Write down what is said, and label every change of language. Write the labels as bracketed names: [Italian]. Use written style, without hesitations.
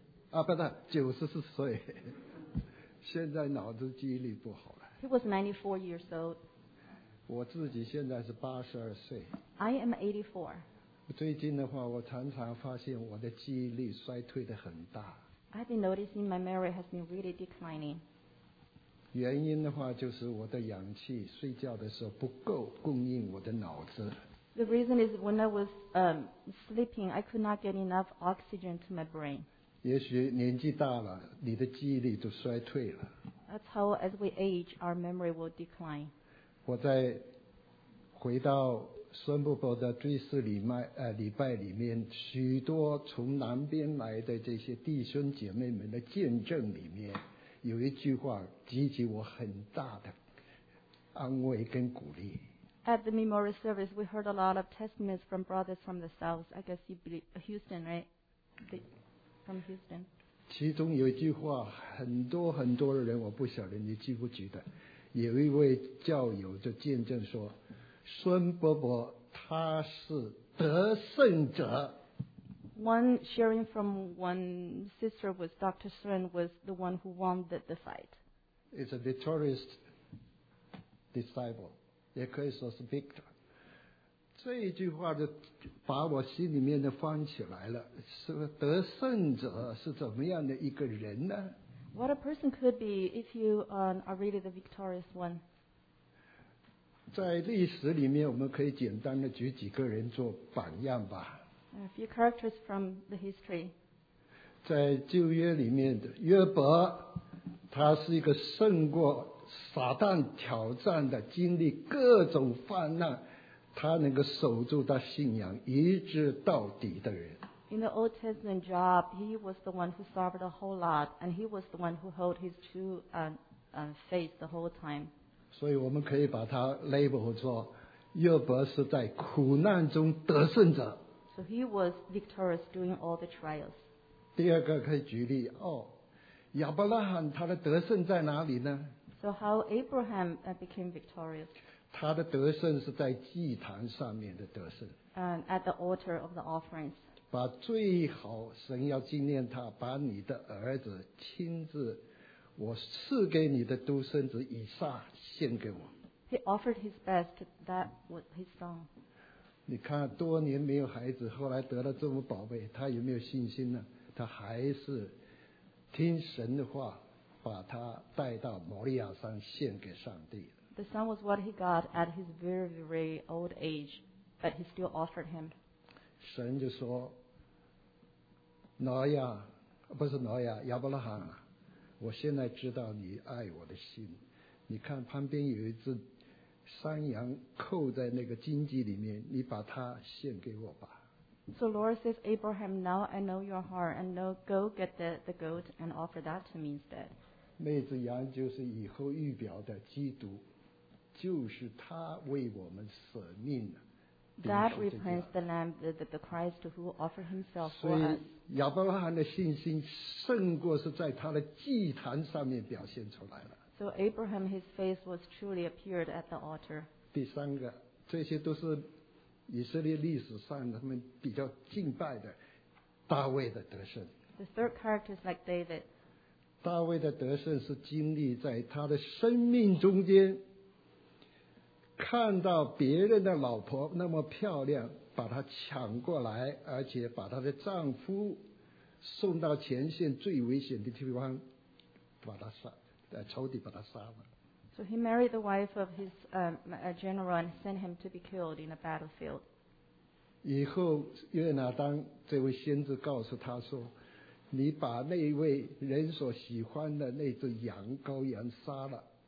[Chinese] 啊，不是，94岁。现在脑子记忆力不好了。 [English] He was 94 years old. [Chinese] 我自己现在是82岁。 [English] I am 84. [Chinese] 最近的话，我常常发现我的记忆力衰退得很大。 [English] I've been noticing my memory has been really declining. [Chinese] 原因的话就是我的氧气睡觉的时候不够供应我的脑子。 [English] The reason is when I was sleeping, I could not get enough oxygen to my brain. [Chinese] 也许年纪大了，你的记忆力就衰退了。 [English] That's how as we age, our memory will decline. [Chinese] 我在回到孙伯伯的追思礼拜里面，许多从南边来的这些弟兄姐妹们的见证里面，有一句话激起我很大的安慰跟鼓励。 [English] At the memorial service, we heard a lot of testimonies from brothers from the south. I guess you believe Houston, right? From Houston. [Chinese] 其中有一句话，很多很多人，我不晓得你记不记得，有一位教友就见证说。孙伯伯他是得胜者。 [English] One sharing from one sister was Dr. Shen was the one who won the fight. It's a victorious disciple. [Chinese] 也可以说是 [English] victor. [Chinese] 这一句话就把我心里面的翻起来了。是得胜者是怎么样的一个人呢？ [English] What a person could be if you are really the victorious one. [Chinese] 在历史里面，我们可以简单的举几个人做榜样吧。 [English] A few characters from the history. [Chinese] 在旧约里面的约伯，他是一个胜过撒旦挑战的，经历各种患难，他能够守住他信仰一直到底的人。 [English] In the Old Testament, Job, he was the one who suffered a whole lot, and he was the one who held his true faith the whole time. [Chinese] 所以我们可以把它 label 作约伯是在苦难中得胜者。 [English] So he was victorious during all the trials. [Chinese] 第二个可以举例哦，亚伯拉罕他的得胜在哪里呢 [English] ？So how Abraham became victorious? [Chinese] 他的得胜是在祭坛上面的得胜。 [English] And at the altar of the offerings. [Chinese] 把最好神要纪念他，把你的儿子亲自。我赐给你的独生子以撒献给我。 [English] He offered his best, that was his song. [Chinese] 你看多年没有孩子，后来得了这么宝贝，他有没有信心呢？他还是听神的话，把他带到摩利亚山献给上帝。 [English] The son was what he got at his very, very old age, but he still offered him. [Chinese] 神就说，挪亚，不是挪亚，亚伯拉罕啊。我现在知道你爱我的心，你看旁边有一只山羊扣在那个荆棘里面，你把它献给我吧。 [English] So Lord says Abraham, now I know your heart, and now go get the goat and offer that to me instead. [Chinese] 那只羊就是以后预表的基督，就是他为我们舍命了。 [English] That represents the Lamb, the Christ who offered himself for us. [Chinese] 所以亚伯拉罕的信心胜过是在他的祭坛上面表现出来了。 [English] So Abraham, his faith was truly appeared at the altar. [Chinese] 第三个，这些都是以色列历史上他们比较敬拜的大卫的得胜。 [English] The third character is like David. [Chinese] 大卫的得胜是经历在他的生命中间。看到别人的老婆那么漂亮，把她抢过来，而且把她的丈夫送到前线最危险的地方，把她杀，仇敌把她杀了。 [English] So he married the wife of his general and sent him to be killed in a battlefield. [Chinese] 以后约拿单这位先知告诉他说，你把那位人所喜欢的那只羊羔羊杀了。